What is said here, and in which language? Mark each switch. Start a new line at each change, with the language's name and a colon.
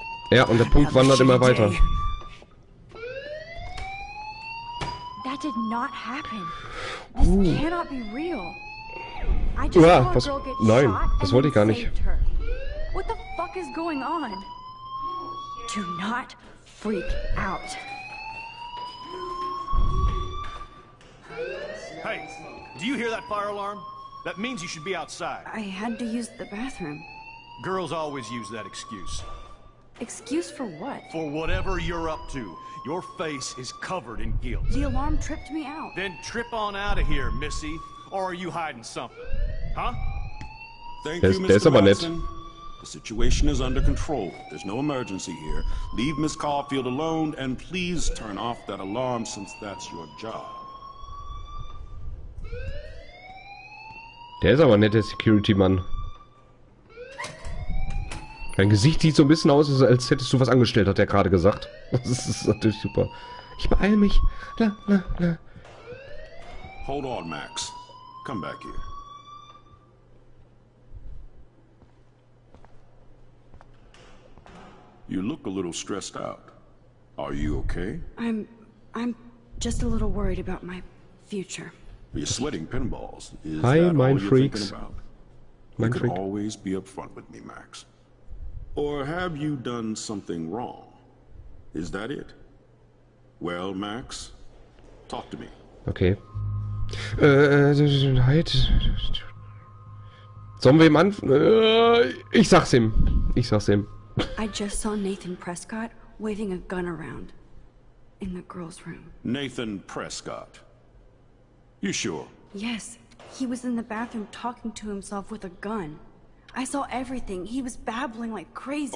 German: Ja, und der Punkt wandert immer weiter.
English: That did not happen. Cannot be real.
German: Nein, das wollte ich gar nicht.
English: What the fuck is going on? Do not freak out. Hey, do you hear that fire alarm? That means you should be outside. I had to use the bathroom. Girls always use that excuse. Excuse for what? For whatever you're up to. Your face is covered in guilt. The alarm tripped me out. Then trip on out of here, Missy. Or are you hiding something? Huh? Thank you, Mr. Watson. The situation is under control. There's no emergency here. Leave Miss Caulfield alone and please turn off that alarm since that's your job.
German: Der ist aber nett, der Security-Mann. Dein Gesicht sieht so ein bisschen aus, als hättest du was angestellt, hat er gerade gesagt. Das ist natürlich super. Ich beeile mich. La, la, la.
English: Hold on, Max. Come back here. You look a little stressed out. Are you okay? I'm just a little worried about my future. You're sweating pinballs. Is that all you're thinking about? You could always be upfront with me, Max. Or have you done something wrong? Is that it? Well, Max, talk to me.
German: Okay. Halt. Sollen wir ihm Ich sag's ihm.
English: I just saw Nathan Prescott waving a gun around in the girls' room. Nathan Prescott? You sure? Yes. He was in the bathroom talking to himself with a gun. I saw everything. He was babbling like crazy.